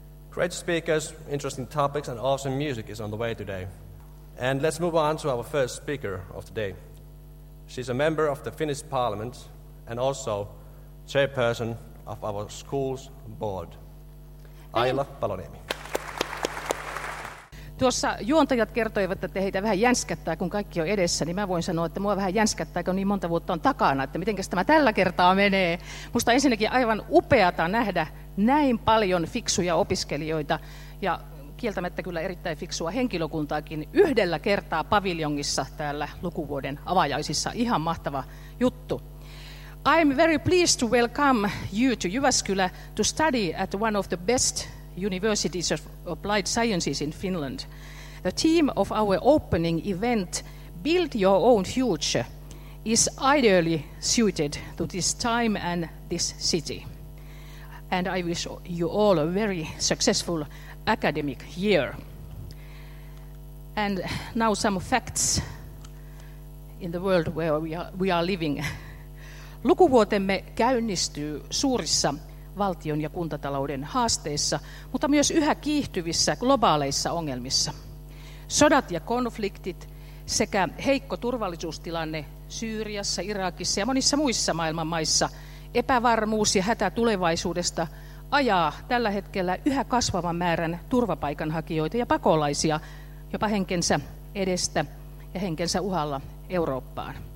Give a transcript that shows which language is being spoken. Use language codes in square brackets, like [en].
[en] Great speakers, interesting topics, and awesome music is on the way today. And let's move on to our first speaker of the day. She's a member of the Finnish Parliament and also chairperson of our school's board, Aila Paloniemi. [fi] Tuossa juontajat kertoivat, että heitä vähän jänskättää, kun kaikki on edessä, niin mä voin sanoa, että mua vähän jänskättää, kun niin monta vuotta on takana, että mitenkäs tämä tällä kertaa menee. Musta ensinnäkin aivan upeata nähdä näin paljon fiksuja opiskelijoita ja kieltämättä kyllä erittäin fiksua henkilökuntaakin yhdellä kertaa paviljongissa täällä lukuvuoden avajaisissa. Ihan mahtava juttu. [en] I'm very pleased to welcome you to Jyväskylä to study at one of the best universities of applied sciences in Finland. The theme of our opening event, Build Your Own Future, is ideally suited to this time and this city. And I wish you all a very successful academic year. And now some facts in the world where we are living. [fi] Lukuvuotemme käynnistyy suurissa valtion ja kuntatalouden haasteissa, mutta myös yhä kiihtyvissä globaaleissa ongelmissa. Sodat ja konfliktit sekä heikko turvallisuustilanne Syyriassa, Irakissa ja monissa muissa maailman maissa, epävarmuus ja hätä tulevaisuudesta ajaa tällä hetkellä yhä kasvavan määrän turvapaikanhakijoita ja pakolaisia jopa henkensä edestä ja henkensä uhalla Eurooppaan.